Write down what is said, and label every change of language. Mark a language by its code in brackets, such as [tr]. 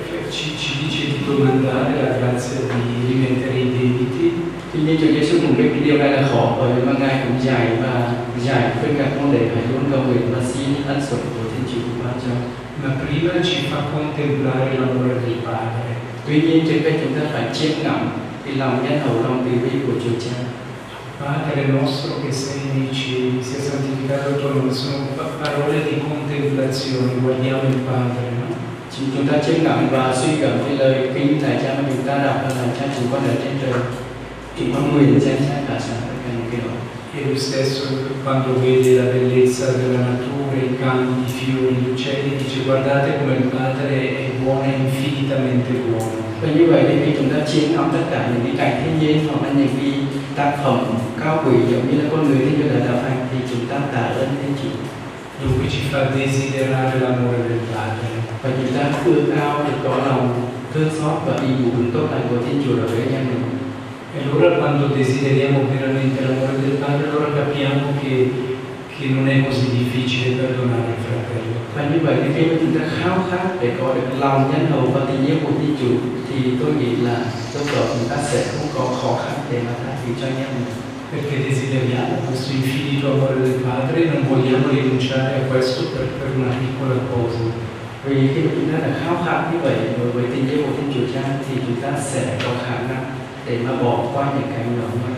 [it] ci dice di domandare la grazia di rimettere i debiti. [vi] Thì như Chúa Giêsu cũng biết điều này là khó bởi vì mà Ngài cũng dạy và dạy với các môn đệ phải luôn cầu nguyện và xin ân sủng của Thiên Chúa của Ban cho. [it] Ma prima ci fa contemplare l'amore di Padre. [vi] Tuy nhiên trên đây chúng ta phải chiêm ngắm cái lòng nhân hậu lòng từ bi của Chúa Cha. [it] Padre nostro che sei nei cieli, sia santificato il tuo nome. Sono parole di contemplazione, guardiamo il Padre, no? [vi] Chúng ta chiêm ngắm và suy gẫm cái lời kinh Thầy Cha mà chúng ta đọc là Thầy Cha chúng con ở trên trời. [it] E lui stesso quando vede la bellezza della natura, i campi, i fiori, gli uccelli, dice guardate come il Padre è buono, infinitamente buono. [vi] E như vậy thì khi chúng ta chiến thắng tất cả những cái cảnh thiên nhiên hoặc là những cái tác phẩm cao quý giống như là con người như là đạo hạnh thì chúng ta tạ ơn Thiên Chúa. [it] Dunque ci fa desiderare l'amore del Padre. [vi] Và chúng ta ước ao được có lòng thương xót và ý muốn tốt lành của Thiên Chúa đối với nhân loại. [it] E allora quando desideriamo veramente l'amore del Padre, allora capiamo che non è così difficile perdonare il fratello. [vi] Và như vậy thì khi mà chúng ta khao khát để có được lòng nhân hậu và tình yêu của Thiên Chúa thì tôi nghĩ là lúc đó chúng ta sẽ không có khó khăn để mà tha thứ cho nhau. [it] Perché desideriamo questo infinito amore del Padre e non vogliamo rinunciare a questo per una piccola cosa. [vi] Vì khi mà chúng ta đã khao khát như vậy đối với tình yêu của Thiên Chúa Cha thì chúng ta sẽ có khả năng để mà bỏ qua những cái nhỏ